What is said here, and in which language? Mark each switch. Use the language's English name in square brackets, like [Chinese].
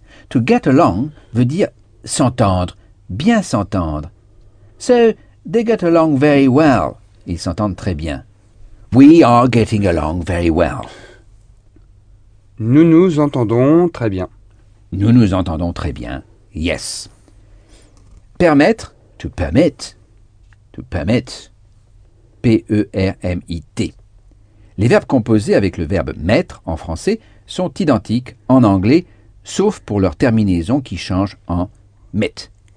[English] To get along [French] veut dire s'entendre, bien s'entendre. [English] So, they get along very well. [French] Ils s'entendent très bien. [English] We are getting along very well. [French] Nous nous entendons très bien. Nous nous entendons très bien. [English] Yes. Permettre, to permit. To permit. P-E-R-M-I-T. [French] Les verbes composés avec le verbe mettre en français sont identiques en anglais, sauf pour leur terminaison qui change en mit.